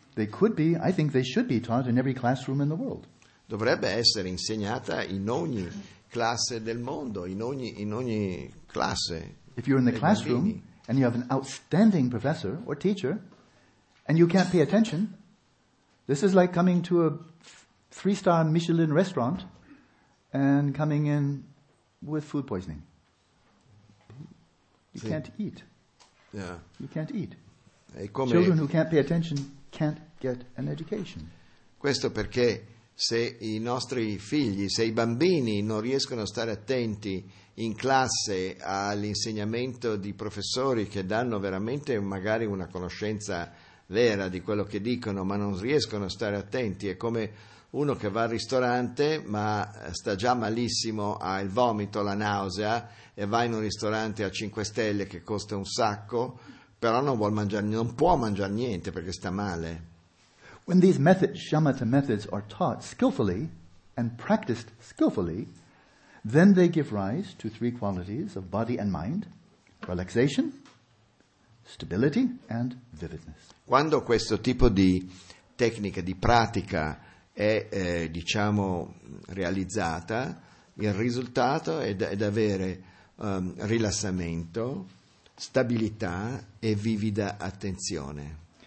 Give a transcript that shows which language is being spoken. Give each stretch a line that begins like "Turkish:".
English: They could be, I think they should be taught in every classroom in the world.
Italian: Dovrebbe essere insegnata in ogni classe del mondo, in ogni classe.
English: If you're in the classroom and you have an outstanding professor or teacher and you can't pay attention, this is like coming to a three-star Michelin restaurant and coming in with food poisoning. You can't eat. Yeah. You can't eat.
Italian: È come
English: children who can't pay attention can't get an education.
Italian: Questo perché se i nostri figli, se i bambini non riescono a stare attenti in classe all'insegnamento di professori che danno veramente magari una conoscenza vera di quello che dicono, ma non riescono a stare attenti, è come uno che va al ristorante ma sta già malissimo, ha il vomito, la nausea e va in un ristorante a 5 stelle che costa un sacco, però non vuol mangiare, non può mangiare niente perché sta male.
English: When these methods, shamatha methods, are taught skillfully and practiced skillfully, then they give rise to three qualities of body and mind: relaxation, stability, and vividness.
Italian: Quando questo tipo di tecnica, di pratica è, diciamo, realizzata, il risultato è avere rilassamento, stabilità e vivida attenzione.